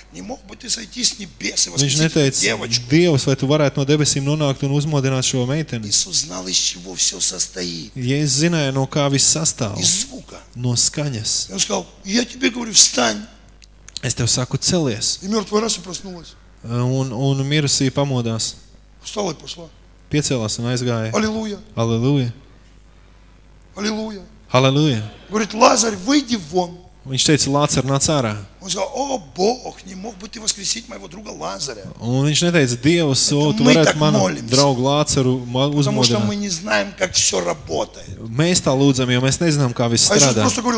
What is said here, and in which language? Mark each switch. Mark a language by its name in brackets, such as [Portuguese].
[Russian] Не мог бы ты сойти с небес и воскресить эту девочку? [Latvian] Dievs, vai tu varētu no debesīm nonākt un uzmodināt šo meiteni? [Russian] Jēzus знал, из чего все состоит. [Latvian] Jēzus zināja, no kā viss sastāv. [Russian] Из звука. [Latvian] No skaņas. [Russian] Он сказал, я тебе говорю, встань. [Latvian] Es tev saku, celies. [Russian] И мертвый раз проснулась. [Latvian] Un mirusī pamodās. [Russian] Встала и пошла. [Latvian] Piecēlās un aizgāja. [Russian] Аллилуйя. Аллилуйя. Аллилуйя. Аллилуйя. Говорит, Лазарь, выйди вон. [Latvian] Viņš teica, Lācar, nāc ārā. Un viņš neteica, Dievs, o, tu varētu manu draugu Lācaru uzmodināt. Mēs tā lūdzam, jo mēs nezinām, kā viss strādā.